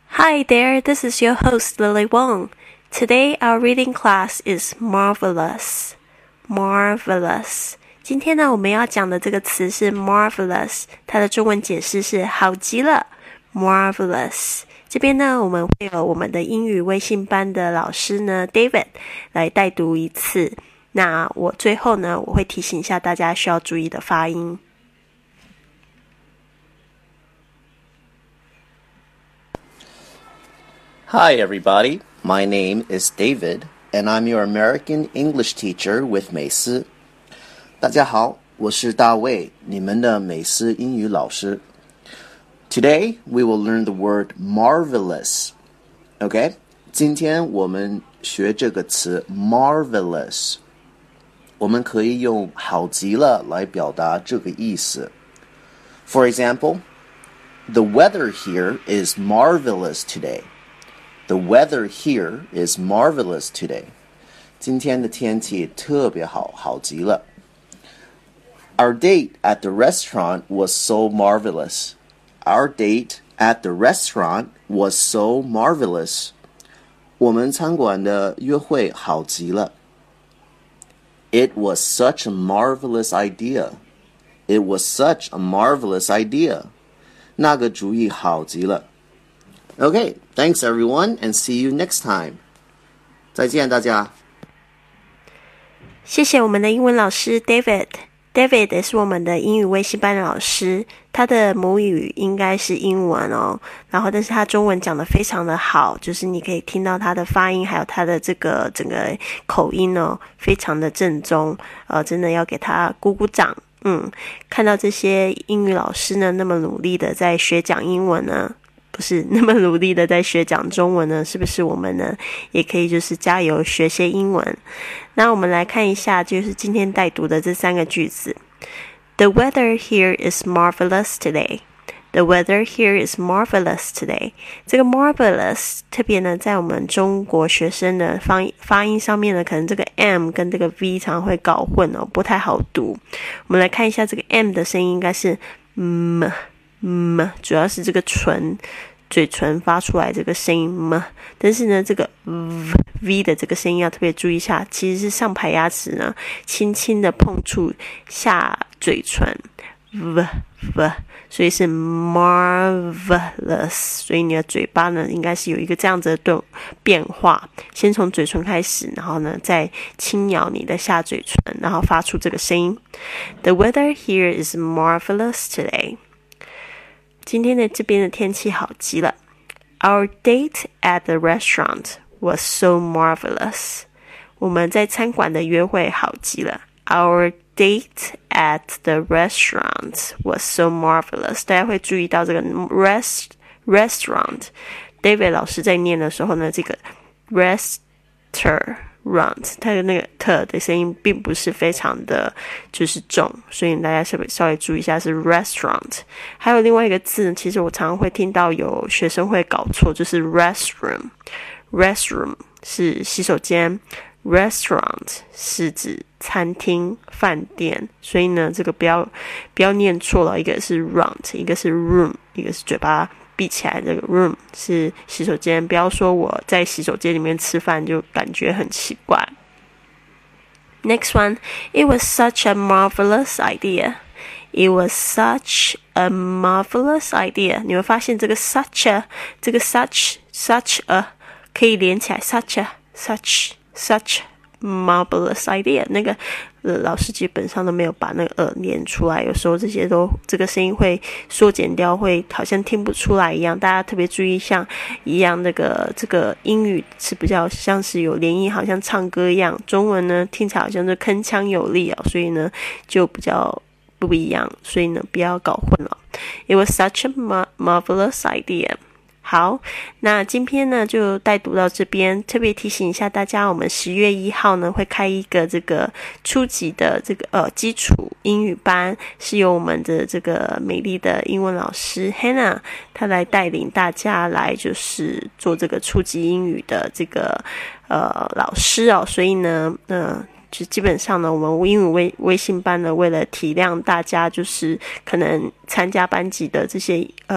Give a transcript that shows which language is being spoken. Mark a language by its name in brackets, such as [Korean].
[English] Hi there, this is your host Lily Wong. Today our reading class is marvelous. Marvelous. [Chinese] 今天呢我们要讲的这个词是 marvelous, 它的中文解释是好极了。 [English] Marvelous. [Chinese] 这边呢我们会有我们的英语微信班的老师呢 David 来带读一次。那我最后呢我会提醒一下大家需要注意的发音。 [English] Hi everybody, my name is David, and I'm your American English teacher with 美思。 [Chinese] 大家好，我是大卫，你们的美思英语老师。 [English] Today, we will learn the word marvelous. [Chinese] Okay, 今天我们学这个词 marvelous. 我们可以用好极了来表达这个意思。 [English] For example, the weather here is marvelous today. The weather here is marvelous today. [Chinese] 今天的天气特别好，好极了。 [English] Our date at the restaurant was so marvelous. Our date at the restaurant was so marvelous. [Chinese] 我们餐馆的约会好极了。 [English] It was such a marvelous idea. It was such a marvelous idea. [Chinese] 那个主意好极了。 [English] Okay, thanks everyone, and see you next time. [Chinese] 再见大家。谢谢我们的英文老师 David. David 也是我们的英语微信班的老师，他的母语应该是英文哦。然后，但是他中文讲得非常的好，就是你可以听到他的发音，还有他的这个整个口音哦，非常的正宗。真的要给他鼓鼓掌。看到这些英语老师呢，那么努力的在学讲英文呢。不是那么努力的在学讲中文呢，是不是我们呢也可以就是加油学些英文。那我们来看一下就是今天带读的这三个句子。 [English] The weather here is marvelous today. The weather here is marvelous today. [Chinese] 这个 marvelous 特别呢在我们中国学生的发音上面呢，可能这个 M 跟这个 V 常会搞混哦，不太好读。我们来看一下这个 M 的声音应该是 M。主要是这个嘴唇发出来这个声音嘛，但是呢这个 V 的这个声音要特别注意一下，其实是上排牙齿呢轻轻的碰触下嘴唇 V 所以是 marvelous， 所以你的嘴巴呢应该是有一个这样子的变化，先从嘴唇开始，然后呢再轻咬你的下嘴唇，然后发出这个声音。 [English] The weather here is marvelous today. [Chinese] 今天的这边的天气好极了。 [English] Our date at the restaurant was so marvelous. [Chinese] 我们在餐馆的约会好极了。 [English] Our date at the restaurant was so marvelous. [Chinese] 大家会注意到这个 restaurant. David 老师在念的时候呢，这个 restaurant 它的那个 t 的声音并不是非常的就是重，所以大家稍微注意一下是 restaurant。还有另外一个字其实我常常会听到有学生会搞错，就是 restroom 是洗手间， restaurant 是指餐厅饭店，所以呢这个不要念错了，一个是 runt， 一个是 room， 一个是嘴巴闭起来，这个 room 是洗手间，不要说我在洗手间里面吃饭就感觉很奇怪。 [English] Next one. It was such a marvelous idea. It was such a marvelous idea. [Chinese] 你会发现这个 such a 这个 such a 可以连起来 such marvelous idea。那个老师基本上都没有把那个念出来，有时候这些都这个声音会缩减掉，会好像听不出来一样，大家特别注意像一样那个这个英语是比较像是有连音，好像唱歌一样，中文呢听起来好像是铿锵有力哦，所以呢就比较不一样，所以呢不要搞混了。 [English] It was such a marvelous idea。 [Chinese] 好，那今天呢就带读到这边，特别提醒一下大家，我们10月1号呢会开一个这个初级的这个基础英语班，是由我们的这个美丽的英文老师 Hannah 她来带领大家来就是做这个初级英语的这个老师哦，所以呢就基本上呢我们英语微信班呢为了体谅大家就是可能参加班级的这些